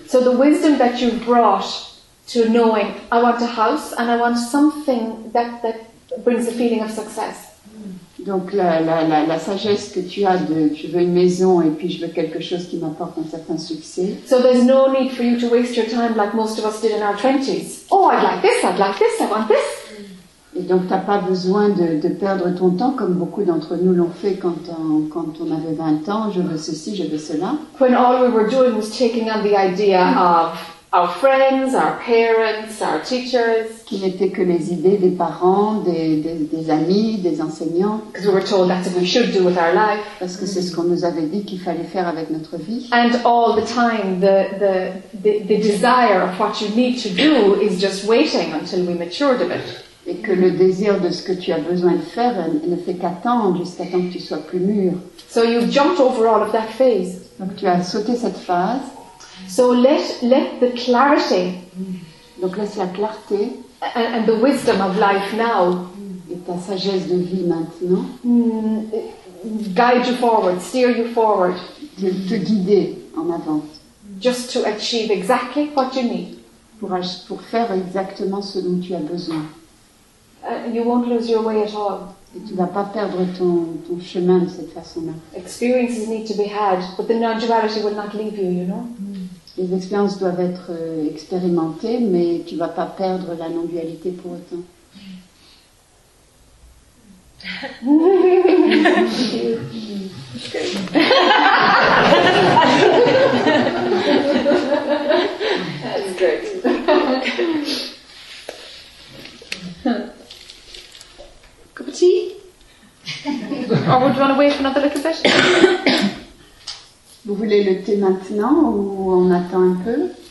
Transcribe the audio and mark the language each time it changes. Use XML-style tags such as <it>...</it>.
<en>So the wisdom that you brought to knowing, I want a house and I want something that brings a feeling of success.</en> <fr>Donc la sagesse que tu as de je veux une maison et puis je veux quelque chose qui m'apporte un certain succès.</fr> <en>So there's no need for you to waste your time like most of us did in our 20s. Oh, I'd like this, I want this.</en> <fr>Et donc t'as pas besoin de perdre ton temps comme beaucoup d'entre nous l'ont fait quand on avait 20 ans, je veux ceci, je veux cela.</fr> <en>When all we were doing was taking on the idea of our friends, our parents, our teachers.</en> <fr>Qui n'étaient que les idées des parents, des amis, des enseignants.</fr> <en>Because we were told that's what we should do with our life.</en> <fr>Parce que c'est ce qu'on nous avait dit qu'il fallait faire avec notre vie.</fr> <en>And all the time, the desire of what you need to do is just waiting until we matured a bit.</en> <fr>Et que le désir de ce que tu as besoin de faire ne fait qu'attendre jusqu'à temps que tu sois plus mûr.</fr> <en>So you jumped over all of that phase.</en> <fr>Donc tu as sauté cette phase.</fr> <en>So let the clarity,</en> <fr>donc laisse la clarté,</fr> <en>and the wisdom of life now,</en> <fr>et ta sagesse de vie maintenant,</fr> <en>guide you forward, steer you forward,</en> <fr>te guider en avant,</fr> <en>just to achieve exactly what you need,</en> <fr>pour faire exactement ce dont tu as besoin.</fr> <en>You won't lose your way at all.</en> <fr>Et tu vas pas perdre ton chemin de cette façon-là.</fr> <en>Experiences need to be had, but the non-duality will not leave you, you know.</en> <fr>Les expériences doivent être expérimentées, mais tu vas pas perdre la non-dualité pour autant.</fr> <en>That's great. Cup of tea? Or would you want to wait for another little bit?</en> <fr>Vous voulez le thé maintenant ou on attend un peu?</fr>